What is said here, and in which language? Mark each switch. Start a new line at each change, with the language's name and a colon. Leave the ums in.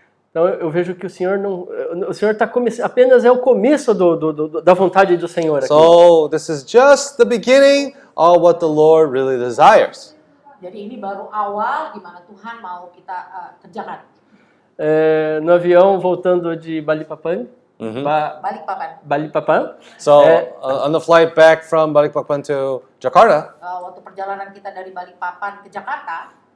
Portuguese: Então eu, vejo que o Senhor não, o Senhor está apenas é o começo do, do, do, da vontade do Senhor. Aqui.
English: So this is just the beginning of what the Lord really desires.
Indonesian: Jadi ini baru awal di mana Tuhan mau kita uh, kerjakan.
Portuguese: É, no avião voltando de Bali Papang. Mm -hmm. ba Balikpapan. Balikpapan.
English: So, é, uh, on the flight back from Balikpapan to Jakarta.
Indonesian: Uh, waktu perjalanan kita dari Balikpapan ke Jakarta.